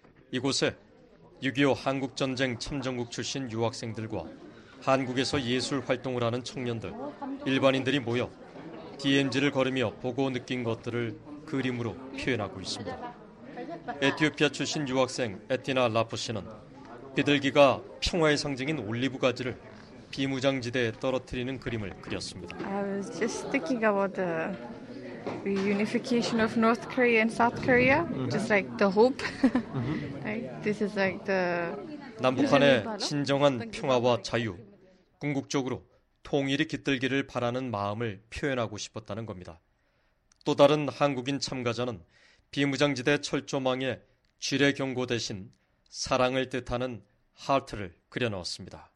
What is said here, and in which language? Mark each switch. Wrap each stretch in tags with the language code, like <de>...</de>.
<ko>이곳에 6.25 한국전쟁 참전국 출신 유학생들과 한국에서 예술 활동을 하는 청년들, 일반인들이 모여 DMZ를 걸으며 보고 느낀 것들을 그림으로 표현하고 있습니다. 에티오피아 출신 유학생 에티나 라포 씨는 비둘기가 평화의 상징인 올리브 가지를 비무장지대에 떨어뜨리는 그림을 그렸습니다.</ko> <en>I was just thinking about the reunification of North Korea and South Korea, just like the hope. This is like the</en> <ko>남북한의 진정한 평화와 자유, 궁극적으로 통일이 깃들기를 바라는 마음을 표현하고 싶었다는 겁니다. 또 다른 한국인 참가자는 비무장지대 철조망에 지뢰 경고 대신 사랑을 뜻하는 하트를 그려넣었습니다.</ko>